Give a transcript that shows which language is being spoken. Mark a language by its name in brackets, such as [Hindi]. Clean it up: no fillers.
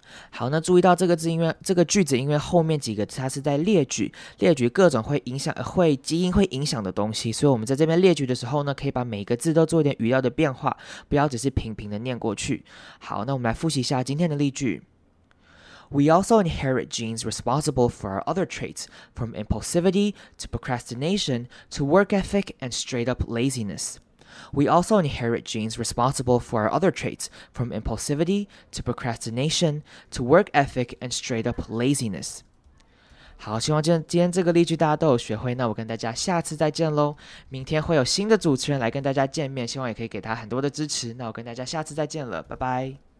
[Chinese] 好，那注意到这个字，因为这个句子，因为后面几个字它是在列举各种会影响、会基因会影响的东西，所以我们在这边列举的时候呢，可以把每一个字都做一点语调的变化，不要只是平平的念过去。好，那我们来复习一下今天的例句。 [English] We also inherit genes responsible for our other traits, from impulsivity to procrastination to work ethic and straight-up laziness. We also inherit genes responsible for our other traits, from impulsivity to procrastination to work ethic and straight-up laziness. [Chinese] 好，希望今天这个例句大家都有学会，那我跟大家下次再见咯。明天会有新的主持人来跟大家见面，希望也可以给他很多的支持，那我跟大家下次再见了，拜拜。